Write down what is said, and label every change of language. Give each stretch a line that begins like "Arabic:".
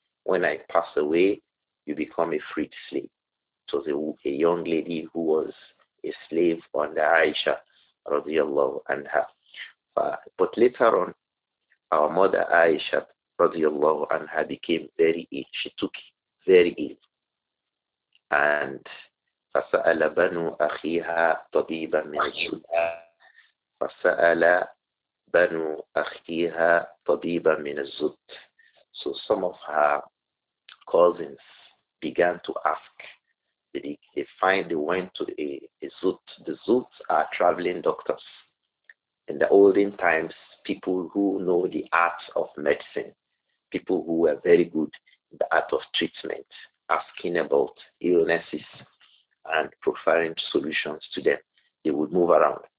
English: When I pass away, you become a freed slave. So a young lady who was a slave under Aisha radiallahu anha. But later on, our mother Aisha radiallahu anha became very ill. She took very ill.
Arabic: And فسأل بنو أخيها طبيبا من الجنة. فسأل بنو أخيها طبيبا من الزد.
English: So some of her cousins began to ask. They went to a zut. The zuts are traveling doctors. In the olden times, people who know the art of medicine, people who were very good in the art of treatment, asking about illnesses and preferring solutions to them. They would move around.